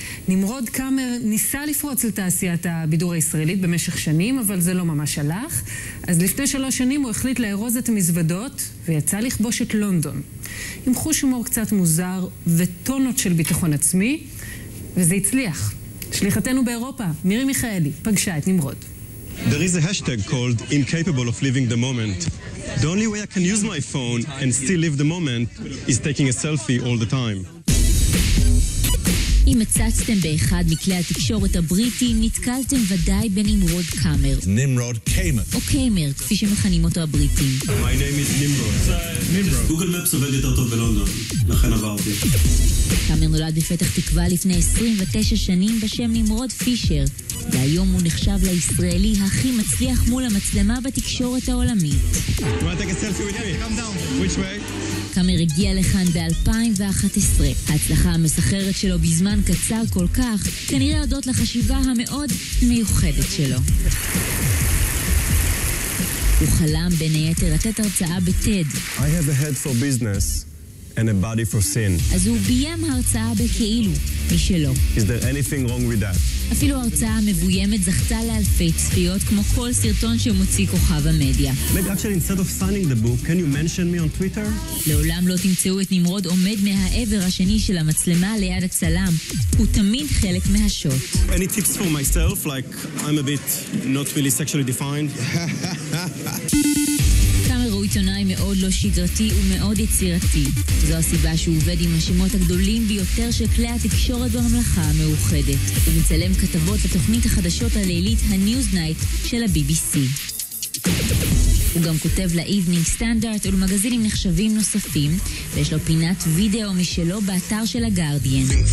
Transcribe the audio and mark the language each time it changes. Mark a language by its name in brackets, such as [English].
[Hebrew] נמרוד קאמר ניסה לפרוץ לתעשיית הבידור הישראלית במשך שנים, אבל זה לא ממש הלך. אז לפני 3 שנים הוא החליט לארוז את המזוודות ויצא לכבוש את לונדון. עם חוש הומור קצת מוזר וטונות של ביטחון עצמי, וזה הצליח. שליחתנו באירופה, מירי מיכאלי, פגשה את נמרוד. [English] There is a hashtag called incapable of living the moment. The only way I can use my phone and still live the moment is taking a selfie all the time. [Hebrew] אם מצצתם באחד מכלי התקשורת הבריטיים, נתקלתם ודאי בנמרוד קאמר. נמרוד קיימר. או קיימר, כפי שמכנים אותו הבריטיים. [English] My name is נמרוד. [Hebrew] נמרוד. גוגל מפס עובד יותר טוב בלונדון, לכן עברתי. קאמר נולד בפתח תקווה לפני 29 שנים בשם נמרוד פישר, והיום הוא נחשב לישראלי הכי מצליח מול המצלמה בתקשורת העולמית. [English] You want to take a selfie with me? Come down. Which way? [Hebrew] קאמר הגיע לכאן ב-2011. ההצלחה המסחרת שלו בזמן קצר כל כך, כנראה הודות לחשיבה המאוד מיוחדת שלו. הוא חלם בין היתר לתת הרצאה בטד. [English] I have a head for business and a body for sin. [Hebrew] אז הוא ביים הרצאה בכאילו, משלו. [English] Is there anything wrong with that? [Hebrew] אפילו הרצאה המבוימת זכתה לאלפי צפיות, כמו כל סרטון שמוציא כוכב המדיה. [English] Maybe actually instead of signing the book, can you mention me on Twitter? [Hebrew] לעולם לא תמצאו את נמרוד עומד מהעבר השני של המצלמה ליד הצלם. הוא תמיד חלק מהשוט. [English] Any tips for myself? Like, I'm a bit not really sexually defined. [Hebrew] הוא עיתונאי מאוד לא שגרתי ומאוד יצירתי. זו הסיבה שהוא עובד עם השמות הגדולים ביותר של כלי התקשורת בממלכה המאוחדת. הוא מצלם כתבות לתוכנית החדשות הלילית ה-Newsnight של ה-BBC. הוא גם כותב ל-Evening Standard ולמגזינים נחשבים נוספים, ויש לו פינת וידאו משלו באתר של הגארדיאן.